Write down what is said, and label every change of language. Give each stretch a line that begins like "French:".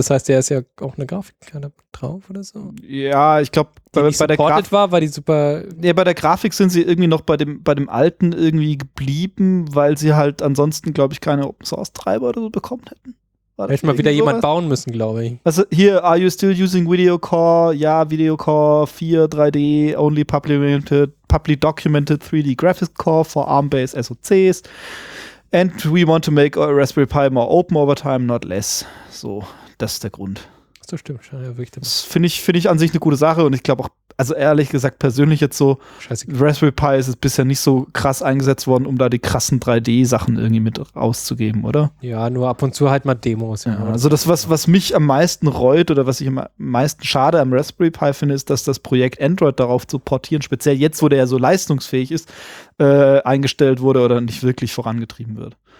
German: Das heißt, der ist ja auch eine Grafikkarte drauf oder so. Ja, ich glaube, war die super. Ja, bei der Grafik sind sie irgendwie noch bei dem alten irgendwie geblieben, weil sie halt ansonsten, glaube ich, keine Open Source Treiber oder so bekommen hätten. Hätte mal wieder jemand bauen müssen, glaube ich. Also hier,
English: are you still using Video Core?
German: Ja,
English: Video Core 4, 3D, only publicly documented 3D Graphics Core for ARM-based SoCs. And we want to make our Raspberry Pi more open over time, not less.
German: So, das ist der Grund. Das stimmt schon, ja, wirklich. Das finde ich an sich eine gute Sache und ich glaube auch, also ehrlich gesagt, persönlich jetzt so, Raspberry Pi ist es bisher nicht so krass eingesetzt worden, um da die krassen 3D-Sachen irgendwie mit rauszugeben, oder? Ja, nur ab und zu halt mal Demos. Ja, also das, was mich am meisten reut oder was ich am meisten schade am Raspberry Pi finde, ist, dass das Projekt Android darauf zu portieren, speziell jetzt, wo der ja so leistungsfähig ist, eingestellt wurde oder nicht wirklich vorangetrieben wird.